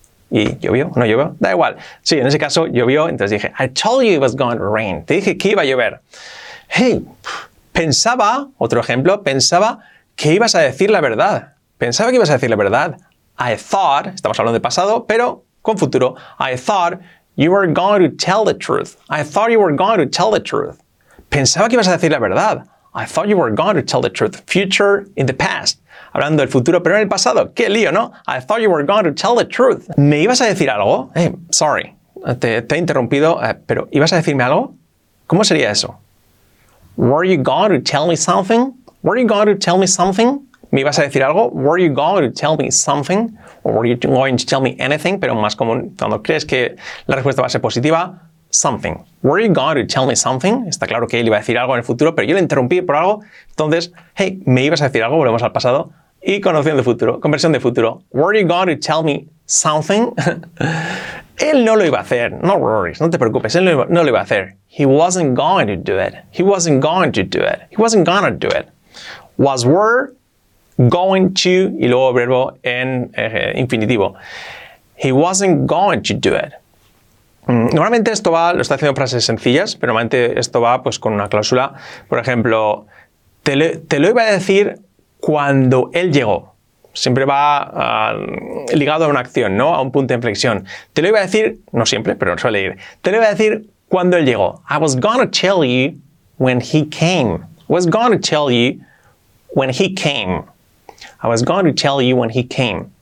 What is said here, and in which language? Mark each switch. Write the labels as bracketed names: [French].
[Spanish] ¿Y llovió o no llovió? Da igual. Sí, en ese caso llovió, entonces dije, [English] I told you it was going to rain. [Spanish] Te dije que iba a llover. Hey, pensaba, otro ejemplo, pensaba que ibas a decir la verdad. Pensaba que ibas a decir la verdad. [English] I thought, [Spanish] estamos hablando de pasado, pero con futuro. [English] I thought you were going to tell the truth. I thought you were going to tell the truth. [Spanish] Pensaba que ibas a decir la verdad. [English] I thought you were going to tell the truth. Future in the past. [Spanish] Hablando del futuro, pero en el pasado. ¡Qué lío, ¿no? [English] I thought you were going to tell the truth. [Spanish] ¿Me ibas a decir algo? [English] Hey, sorry. [Spanish] Te he interrumpido, pero ¿ibas a decirme algo? ¿Cómo sería eso? [English] Were you going to tell me something? Were you going to tell me something? [Spanish] ¿Me ibas a decir algo? [English] Were you going to tell me something? Or were you going to tell me anything? [Spanish] Pero más común cuando crees que la respuesta va a ser positiva. [English] Something. Were you going to tell me something? [Spanish] Está claro que él iba a decir algo en el futuro, pero yo le interrumpí por algo. Entonces, hey, me ibas a decir algo, volvemos al pasado. Y conociendo el futuro, conversión de futuro. [English] Were you going to tell me something? [Spanish] Él no lo iba a hacer. [English] No worries, [Spanish] no te preocupes, él no lo iba a hacer. [English] He wasn't going to do it. He wasn't going to do it. He wasn't going to do it. [Spanish] Was, were, going to, y luego verbo en infinitivo. [English] He wasn't going to do it. [Spanish] Normalmente esto va, lo estoy haciendo frases sencillas, pero normalmente esto va pues con una cláusula. Por ejemplo, te lo iba a decir cuando él llegó. Siempre va ligado a una acción, ¿no? A un punto de inflexión. Te lo iba a decir, no siempre, pero suele ir. Te lo iba a decir cuando él llegó. [English] I was gonna tell you when he came. I was gonna tell you when he came. I was gonna tell you when he came.